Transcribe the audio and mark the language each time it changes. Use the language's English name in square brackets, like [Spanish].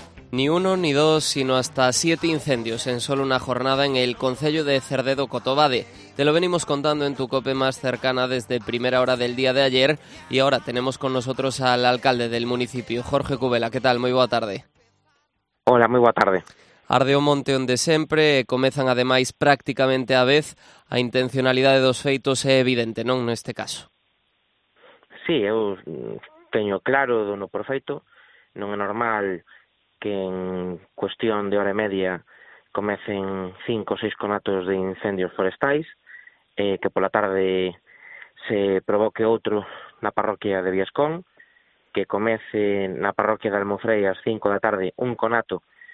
[Spanish] Ni uno ni dos, sino hasta 7 incendios en solo una jornada en el concello de Cerdedo Cotobade. Te lo venimos contando en tu COPE más cercana desde primera hora del día de ayer y ahora tenemos con nosotros al alcalde del municipio, Jorge Cubela. ¿Qué tal? Muy boa tarde. Hola, muy boa tarde. [Galician] Arde o monte onde sempre, comezan ademais prácticamente a vez, a intencionalidade dos feitos é evidente, non neste caso. Sí, eu teño claro, dono por feito, non é normal que en cuestión de hora e media comecen 5 ou 6 conatos de incendios forestais, que pola tarde se provoque outro na parroquia de Viescón, que comece na parroquia de Almofreias 5 da tarde un conato